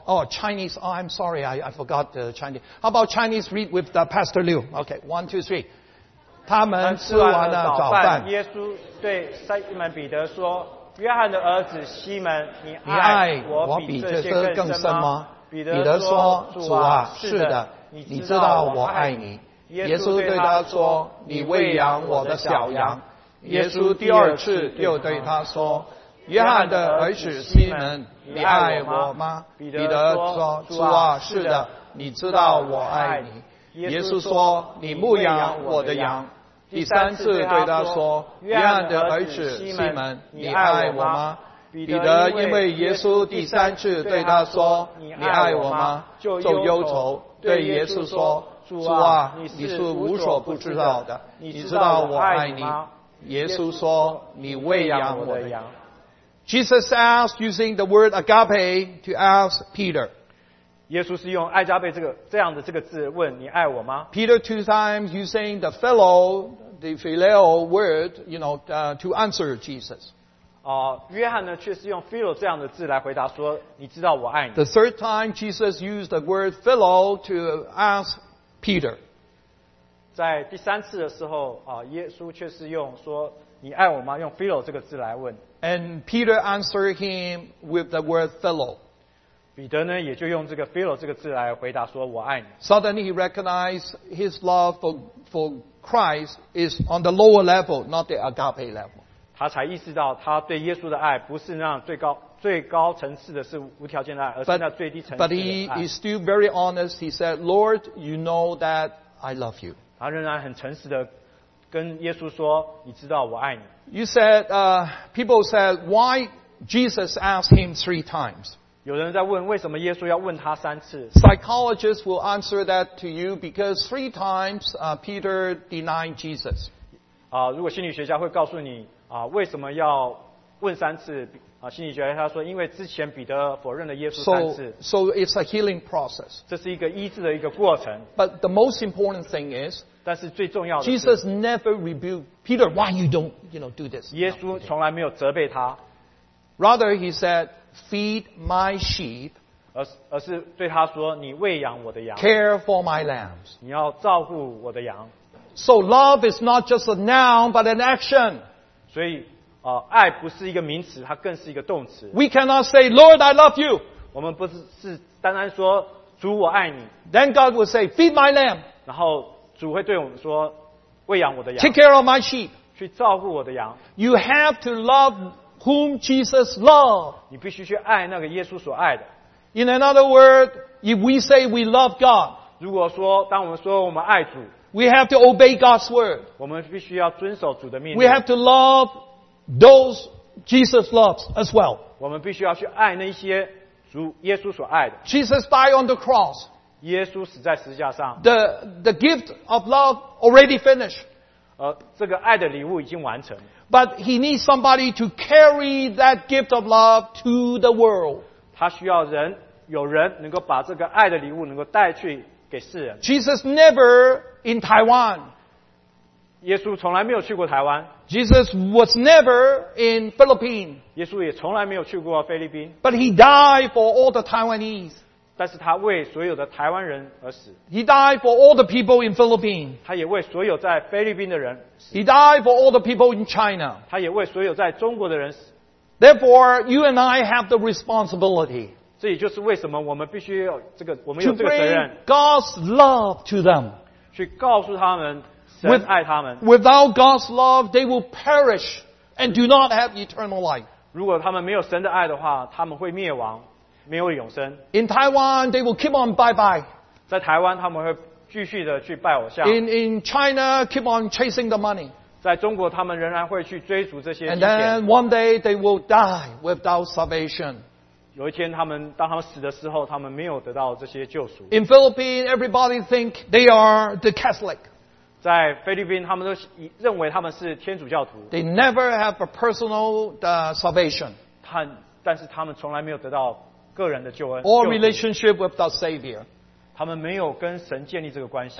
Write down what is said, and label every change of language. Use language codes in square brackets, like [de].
[en] Chinese. Oh, I'm sorry, I forgot the Chinese. How about Chinese read with the Pastor Liu? Okay, 1, 2, 3. [zh] 他们吃完了早饭。耶稣对西门彼得说：“约翰的儿子西门，你爱我比这些更深吗？” 彼得说：“主啊，是的。” 你知道我爱你。耶稣对他说：“你喂养我的小羊。” 耶稣第二次又对他说：“约翰的儿子西门，你爱我吗？” 彼得说：“主啊，是的，你知道我爱你。” 耶稣说：“你牧养我的羊。” 第三次对他说：“约翰的儿子西门，你爱我吗？” 彼得因为耶稣第三次对他说：“你爱我吗？” 就忧愁。对耶稣说主啊你是无所不知道的你知道我爱你耶稣说你喂养我的羊 [en] Jesus asked using the word agape to ask Peter. [zh] 耶稣是用爱加倍这个这样的这个字问你爱我吗 [en] ？Peter two times using the fellow, the phileo word, you know, to answer Jesus. [zh] 哦，约翰呢却是用 phileo 这样的字来回答说，你知道我爱你。 [en] The third time Jesus used the word phileo to ask Peter. [zh] 在第三次的时候，耶稣却是用说你爱我吗？用 phileo 这个字来问。 [en] And Peter answered him with the word phileo. [zh] 彼得呢也就用这个 philo 这个字来回答说我爱你。 [en] Suddenly he recognized his love for Christ is on the lower level, not the agape level. [zh] 他才意识到他对耶稣的爱不是那样最高层次的是无条件的爱，而是那最低层次的爱。 [en] But he is still very honest. He said, Lord, you know that I love you. [zh] 他仍然很诚实的跟耶稣说，你知道我爱你。 [en] You said, people said, why Jesus asked him three times? [zh] 有人在问为什么耶稣要问他三次 [en] Psychologists will answer that to you because three times Peter denied Jesus. [zh] 如果心理学家会告诉你为什么要问三次心理学家说因为之前彼得否认了耶稣三次 [en] So it's a healing process. [zh] 这是一个医治的一个过程 [en] But the most important thing is [zh] 但是最重要的 [en] Jesus never rebuked Peter why you don't you know, do this. [zh] 耶稣从来没有责备他 [en] Rather he saidFeed my sheep. [zh] 而是对他说，你喂养我的羊。 [en] Care for my lambs. [zh] 你要照顾我的羊。 [en] So love is not just a noun, but an action. [zh] 所以，爱不是一个名词，它更是一个动词。 [en] We cannot say, Lord, I love you. [zh] 我们不是单单说主我爱你。 [en] Then God will say, Feed my lamb. [zh] 然后主会对我们说，喂养我的羊。 [en] Take care of my sheep. [zh] 去照顾我的羊。 [en] You have to love. Whom Jesus loved. [zh] 你必须去爱那个耶稣所爱的。 [en] In another word, if we say we love God, [zh] 如果说当我们说我们爱主 [en] we have to obey God's word. [zh] 我们必须要遵守主的命令。 [en] We have to love those Jesus loves as well. [zh] 我们必须要去爱那些主耶稣所爱的。 [en] Jesus died on the cross. [zh] 耶稣死在十字架上。 [en] The gift of love already finished. [zh] 这个爱的礼物已经完成。 [en] But he needs somebody to carry that gift of love to the world. [zh] 他需要人，有人能够把这个爱的礼物能够带去给世人。 [en] Jesus never in Taiwan. [zh] 耶稣从来没有去过台湾。 [en] Jesus was never in Philippines. [zh] 耶稣也从来没有去过菲律宾。 [en] But he died for all the Taiwanese. [zh] 但是他为所有的台湾人而死。 [en] He died for all the people in Philippines. [zh] 他也为所有在菲律宾的人死。 [en] He died for all the people in China. [zh] 他也为所有在中国的人死。 [en] Therefore, you and I have the responsibility. [zh] 这也就是为什么我们必须有这个，我们有这个责任。 [en] To bring God's love to them. [zh] 去告诉他们，神爱他们。 [en] Without God's love, they will perish and do not have eternal life. [zh] 如果他们没有神的爱的话，他们会灭亡。没有永生。 [en] In Taiwan, they will keep on bye bye. [zh] 在台湾，他们会继续的去拜偶像。 [en] In China, keep on chasing the money. [zh] 在中国，他们仍然会去追逐这些金钱。 [en] And then one day they will die without salvation. [zh] 有一天，他们当他们死的时候，他们没有得到这些救赎。 [en] In Philippines, everybody think they are the Catholic. [zh] 在菲律宾，他们都认为他们是天主教徒。 [en] They never have a personal salvation. [zh] 但是他们从来没有得到。 [en] Or relationship with the Savior. [zh] 他们没有跟神建立这个关系。